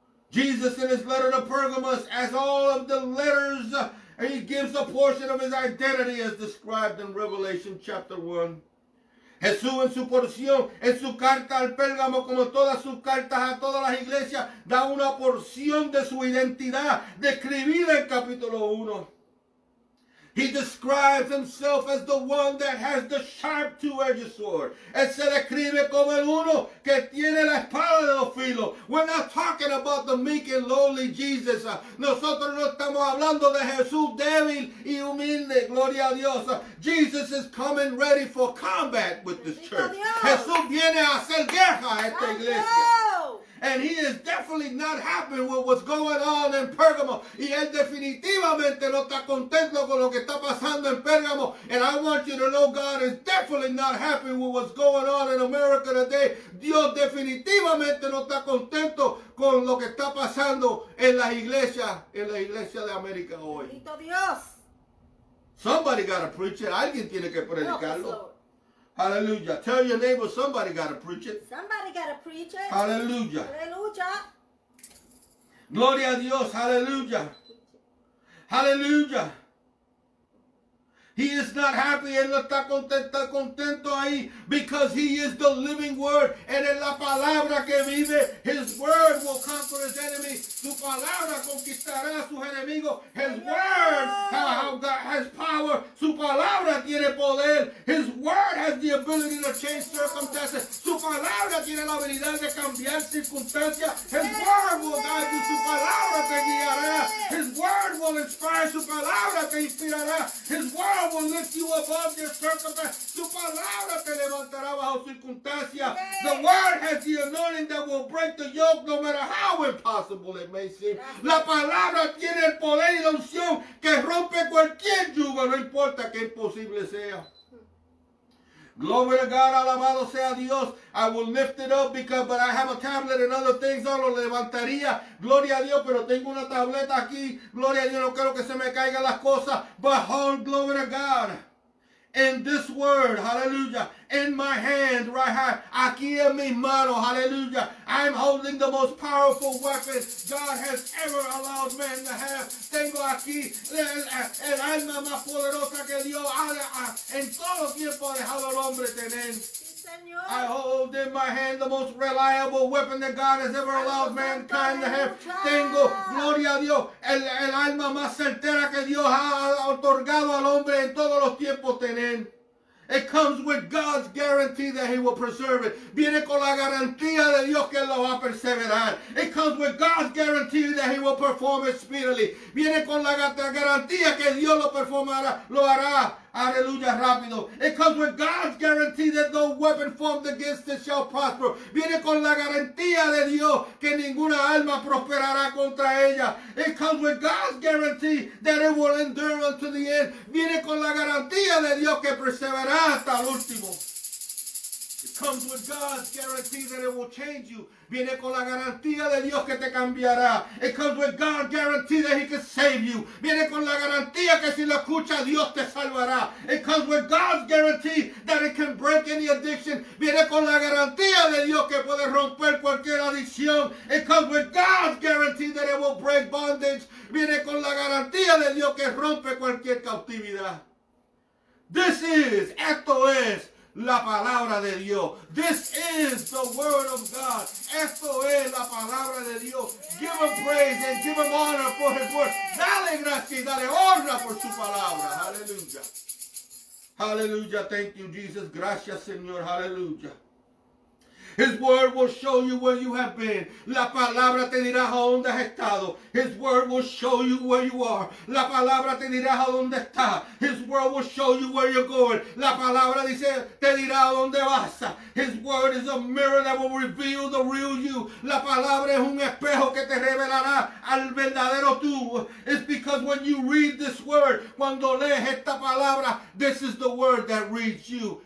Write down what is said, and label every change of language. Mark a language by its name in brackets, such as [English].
[English] Jesus in his letter to Pergamos, as all of the letters, he gives a portion of his identity as described in Revelation chapter 1. [Spanish] Jesús en su porción, en su carta al Pérgamo, como todas sus cartas a todas las iglesias, da una porción de su identidad, describida en capítulo 1. [English] He describes himself as the one that has the sharp two-edged sword. [Spanish] Él se describe como el uno que tiene la espada de dos filos. [English] We're not talking about the meek and lowly Jesus. [Spanish] Nosotros no estamos hablando de Jesús débil y humilde. Gloria a Dios. [English] Jesus is coming ready for combat with this church. [Spanish] Jesús viene a hacer guerra a esta iglesia. [English] And he is definitely not happy with what's going on in Pergamo. [Spanish] Y él definitivamente no está contento con lo que está pasando en Pergamo. [English] And I want you to know God is definitely not happy with what's going on in America today. [Spanish] Dios definitivamente no está contento con lo que está pasando en la iglesia de América hoy. Bendito Dios. [English] Somebody got to preach it. [Spanish] Alguien tiene que predicarlo. [English] Hallelujah. Tell your neighbor, somebody got to preach it. Somebody got to preach it. Hallelujah. Hallelujah. [Spanish] Gloria a Dios. Hallelujah. Hallelujah. [English] He is not happy. [Spanish] Él no está contento, contento ahí. [English] Because he is the living word. [Spanish] Él es la palabra que vive. [English] His word will conquer his enemy. [Spanish] Su palabra conquistará a sus enemigos. [English] His word has power. [Spanish] Su palabra tiene poder. [English] His word has the ability to change circumstances. [Spanish] Su palabra tiene la habilidad de cambiar circunstancias. [English] His word will guide you. [Spanish] Su palabra te guiará. [English] His word will inspire. [Spanish] Su palabra te inspirará. [English] His word will lift you above your circumstances. [Spanish] Su palabra te levantará bajo circunstancia. [English] The word has the anointing that will break the yoke, no matter how impossible it may seem. [Spanish] La palabra tiene el poder y la unción que rompe cualquier yugo, no importa que imposible sea. [English] Glory to God, [Spanish] alabado sea Dios. [English] I will lift it up because, but I have a tablet and other things. [Spanish] No lo levantaría. Gloria a Dios, pero tengo una tableta aquí. Gloria a Dios, no quiero que se me caigan las cosas. [English] Behold, glory to God. In this word, hallelujah. In my hand, right hand. [Spanish] Aquí en mis manos, [English] hallelujah. I'm holding the most powerful weapon God has ever allowed man to have. [Spanish] Tengo aquí el alma más poderosa que Dios en todo tiempo dejado al hombre tener. [English] I hold in my hand the most reliable weapon that God has ever allowed mankind to have. [Spanish] Tengo, gloria a Dios, el alma más certera que Dios ha otorgado al hombre en todos los tiempos tener. [English] It comes with God's guarantee that he will preserve it. [Spanish] Viene con la garantía de Dios que lo va a perseverar. [English] It comes with God's guarantee that he will perform it speedily. [Spanish] Viene con la garantía que Dios lo performará, lo hará. Aleluya, rápido. [English] It comes with God's guarantee that no weapon formed against it shall prosper. [Spanish] Viene con la garantía de Dios que ninguna alma prosperará contra ella. [English] It comes with God's guarantee that it will endure unto the end. [Spanish] Viene con la garantía de Dios que perseverará hasta el último. [English] It comes with comes with God's guarantee that it will change you. [Spanish] Viene con la garantía de Dios que te cambiará. [English] It comes with God's guarantee that he can save you. [Spanish] Viene con la garantía que si lo escucha Dios te salvará. [English] It comes with God's guarantee that it can break any addiction. [Spanish] Viene con la garantía de Dios que puede romper cualquier adicción. [English] It comes with God's guarantee that it will break bondage. [Spanish] Viene con la garantía de Dios que rompe cualquier cautividad. [English] This is, [Spanish] esto es, la palabra de Dios. [English] This is the word of God. [Spanish] Esto es la palabra de Dios. [English] Give him praise and give him honor for his word. [Spanish] Dale gracias y dale honra por su palabra. [English] Hallelujah. Hallelujah. Thank you, Jesus. [Spanish] Gracias, Señor. [English] Hallelujah. His word will show you where you have been. [Spanish] La palabra te dirá a dónde has estado. [English] His word will show you where you are. [Spanish] La palabra te dirá a dónde está. [English] His word will show you where you're going. [Spanish] La palabra dice, te dirá a dónde vas. [English] His word is a mirror that will reveal the real you. [Spanish] La palabra es un espejo que te revelará al verdadero tú. [English] It's because when you read this word, [Spanish] cuando lees esta palabra, [English] this is the word that reads you.